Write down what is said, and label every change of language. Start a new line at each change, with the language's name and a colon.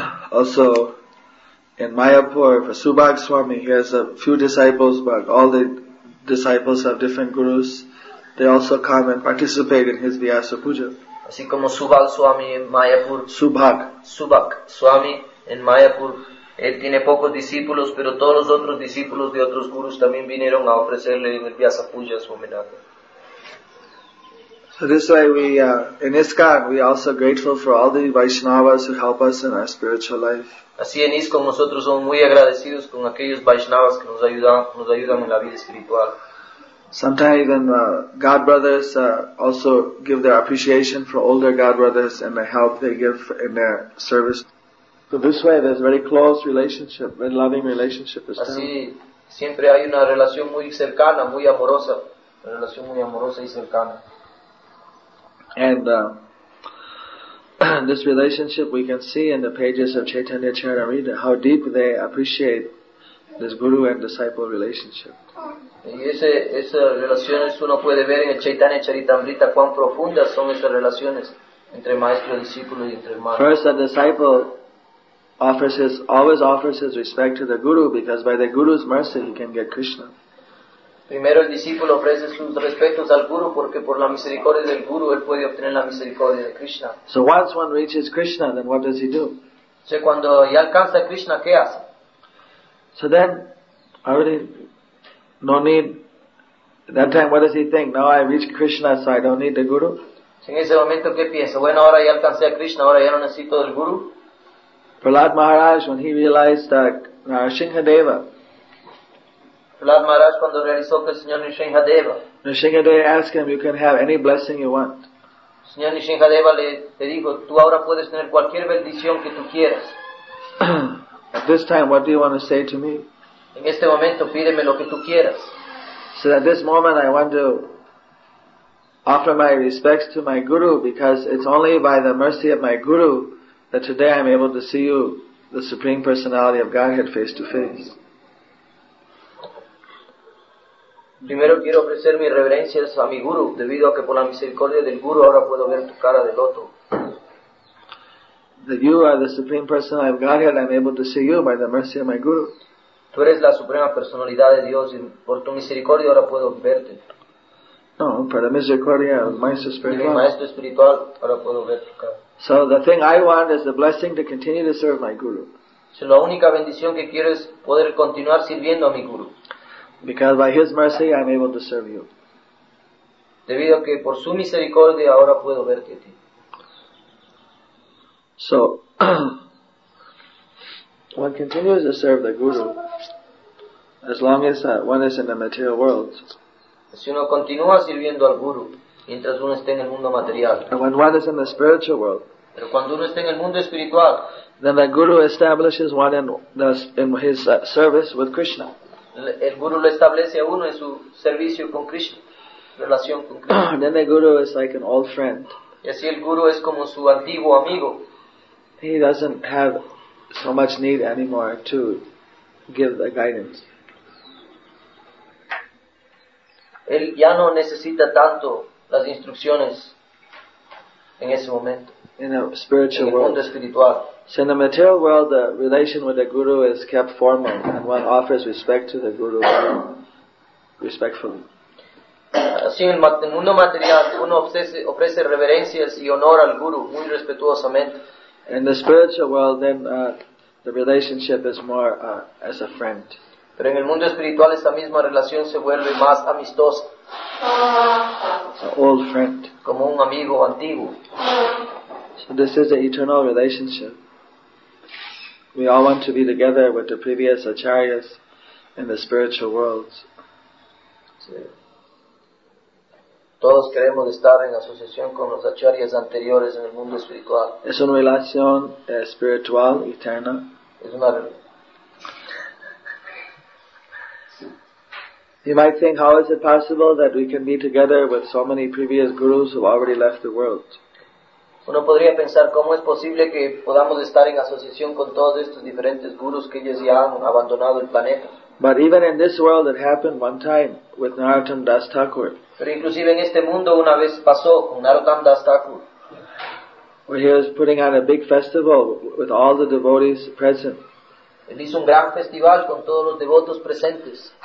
English: Also, In Mayapur, for Subhag Swami, he has a few disciples, but all the disciples have different gurus. They also come and participate in his Vyasa Puja.
Spanish: Así como Subhag Swami en Mayapur. Subhag. Subhag Swami en Mayapur. Él tiene pocos discípulos, pero todos los otros discípulos de otros gurus también vinieron a ofrecerle en el Vyasa Puja Swaminathan.
English: So this way we, in ISKCON, we are also grateful for all the Vaishnavas who help us in our spiritual life.
Spanish: Así en ISKCON nosotros somos muy agradecidos con aquellos Vaishnavas que nos ayudan en la vida espiritual.
English: Sometimes even God brothers also give their appreciation for older God brothers and the help they give in their service. So this way there's a very close relationship, very loving relationship.
Spanish: Así siempre hay una relación muy cercana, muy amorosa, una relación muy amorosa y cercana.
English: And this relationship we can see in the pages of Chaitanya Charitamrita, how deep they appreciate this guru and disciple relationship.
Spanish: Y esas relaciones uno puede ver en el Chaitanya Charitamrita cuán profundas son esas relaciones entre maestro y discípulo y entre hermano.
English: First, the disciple always offers his respect to the guru because by the guru's mercy he can get Krishna.
Spanish: Primero el discípulo ofrece sus respetos al guru porque por la misericordia del guru él puede obtener la misericordia de Krishna.
English: So once one reaches Krishna, then what does he do?
Spanish: Entonces cuando ya alcanza Krishna, ¿qué hace?
English: So then, already, no need. That time, what does he think? Now I reached Krishna, so I don't need the guru.
Spanish: En ese momento, ¿qué piensa? Bueno, ahora ya alcancé a Krishna, ahora ya no necesito del guru.
English: Prahlad Maharaj, when he realized that Narasimhadeva.
Spanish: Prahlad Maharaj, cuando realizó que el señor Nrisimhadeva.
English: Nrisimhadeva asked him, "You can have any blessing you want."
Spanish: Señor Nrisimhadeva le dijo, "Tú ahora puedes tener cualquier bendición que tú quieras."
English: At this time, what do you want to say to me?
Spanish: En este momento, pídeme lo que tú quieras.
English: So at this moment, I want to offer my respects to my guru because it's only by the mercy of my guru that today I'm able to see you, the Supreme Personality of Godhead, face to face.
Spanish: Primero quiero ofrecer mis reverencias a mi guru, debido a que por la misericordia del guru ahora puedo ver tu cara de loto.
English: That you are the Supreme Personality of Godhead, I'm able to see you by the mercy of my guru.
Spanish: Tú eres la Suprema Personalidad de Dios y por tu misericordia ahora puedo verte. No, por la misericordia del Maestro Espiritual. Mi Maestro Espiritual, ahora puedo ver tu cara.
English: So the thing I want is the blessing to continue to serve my guru.
Spanish: Si la única bendición que quiero es poder continuar sirviendo a mi guru.
English: Because by his mercy I'm able to serve you.
Spanish: Debido a que por su misericordia ahora puedo verte a ti.
English: So, one continues to serve the guru as long as one is in the material world.
Spanish: Si uno continúa sirviendo al guru mientras uno esté en el mundo material.
English: And when one is in the spiritual world.
Spanish: Pero cuando uno está en el mundo espiritual.
English: Then the guru establishes one in his service with Krishna.
Spanish: El guru lo establece a uno en su servicio con Krishna. Relación con Krishna.
English: Then the guru is like an old friend.
Spanish: Y así el guru es como su antiguo amigo.
English: He doesn't have so much need anymore to give the guidance.
Spanish: Él ya no necesita tanto las instrucciones en ese momento.
English: In a spiritual world.
Spanish: En el mundo espiritual.
English: So in the material world, the relation with the guru is kept formal, and one offers respect to the guru respectfully.
Spanish: Así en el mundo material, uno ofrece reverencias y honor al guru muy respetuosamente.
English: In the spiritual world, then the relationship is more as a friend.
Spanish: Pero en el mundo espiritual esta misma relación se vuelve más amistosa.
English: An old friend.
Spanish: Como un amigo antiguo.
English: So this is an eternal relationship. We all want to be together with the previous acharyas in the spiritual worlds.
Spanish: Todos queremos estar en asociación con los acharyas anteriores en el mundo espiritual. Es una relación espiritual eterna. Es una.
English: You might think, how is it possible that we can be together with so many previous gurus who have already left the world?
Spanish: Uno podría pensar, ¿cómo es posible que podamos estar en asociación con todos estos diferentes gurus que ellos ya han abandonado el planeta?
English: But even in this world it happened one time with Narottam Das Thakur.
Spanish: Pero inclusive en este mundo una vez pasó con Narottam Das Thakur.
English: Where he was putting on a big festival with all the devotees present.
Spanish: Él hizo un gran festival con todos los devotos presentes.